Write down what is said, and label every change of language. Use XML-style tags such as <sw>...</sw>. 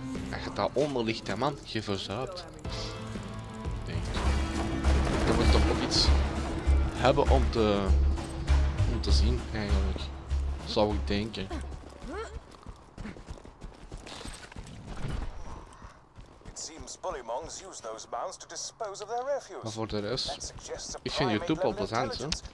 <nl>Hij gaat daar onder ligt, hè, man. Je verzuipt. Dan moet ik toch nog iets hebben om te... te zien eigenlijk, zou ik denken.</nl> <en>It seems bullymongs use those mounds to dispose of their refuse.</en> <nl>Maar voor de rest, ik vind YouTube wel plezant, hè?</nl>